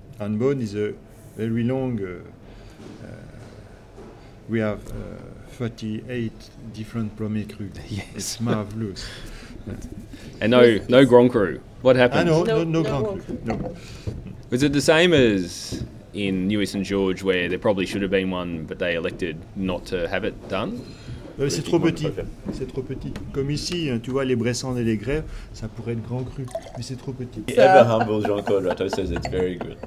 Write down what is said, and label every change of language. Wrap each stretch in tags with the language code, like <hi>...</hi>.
<en>And bone is a very long, we have 38 different premier cru. Yes. It's marvelous. And no Grand Cru. What happened? No Grand Cru. Was it the same as in Neuilly St. George where there probably should have been one, but they elected not to have it done?</en> <fr>C'est trop petit. Comme ici, hein, tu vois, les Bressans et les Grèves, ça pourrait être grand cru, mais c'est trop petit.</fr> <en>Ever humble Jean-Claude Rateau says it's very good.</en>